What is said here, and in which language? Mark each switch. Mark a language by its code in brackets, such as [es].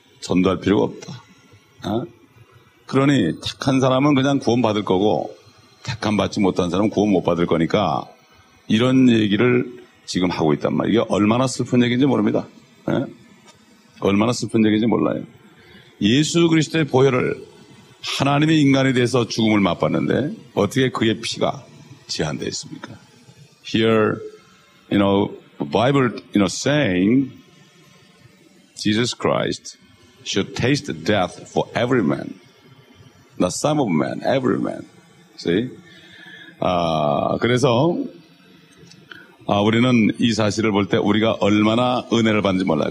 [ko] 전도할 필요가 없다. 그러니 택한 사람은 그냥 구원 받을 거고 택함 받지 못한 사람은 구원 못 받을 거니까 이런 얘기를 지금 하고 있단 말이에요. 이게 얼마나 슬픈 얘기인지 모릅니다. 얼마나 슬픈 얘기인지 몰라요. 예수 그리스도의 보혈을 하나님의 인간에 대해서 죽음을 맛봤는데 어떻게 그의 피가 제한되어 있습니까? [en] Here, you know, the Bible, you know, saying Jesus Christ should taste death for every man. Not some of men, every man. See? [ko] 그래서 우리는 이 사실을 볼 때 우리가 얼마나 은혜를 받는지 몰라요.